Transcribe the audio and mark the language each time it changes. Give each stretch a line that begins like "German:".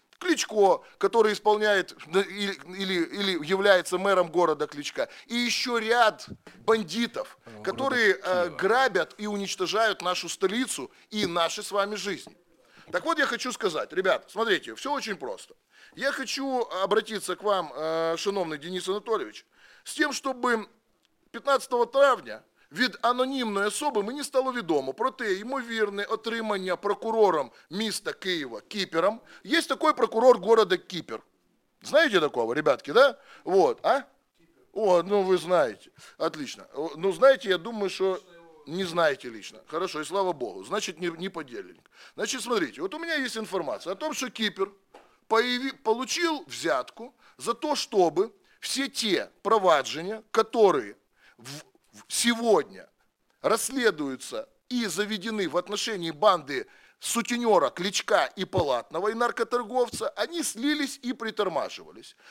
Russian: Кличко, который исполняет или является мэром города Кличка. И еще ряд бандитов, которые грабят и уничтожают нашу столицу и наши с вами жизни. Так вот, я хочу сказать, ребят, смотрите, все очень просто. Я хочу обратиться к вам, шановный Денис Анатольевич, с тем, чтобы
Ukrainian: 15 травня від анонімної особи мені стало відомо про те, ймовірне отримання прокурором міста Києва Кіпером. Є такий прокурор міста Кіпер. Знаєте такого, ребятки, да? Вот, а? О, ну ви знаєте. Отлично. Ну, знаєте, я думаю, що не знаете лично.
Russian: Хорошо, и слава Богу. Значит, не подельник. Значит, смотрите, вот у меня есть информация о том, что Кипер получил взятку за то, чтобы все те провадження, которые сегодня расследуются и заведены в отношении банды сутенера Кличка и Палатного и наркоторговца, они слились и притормаживались.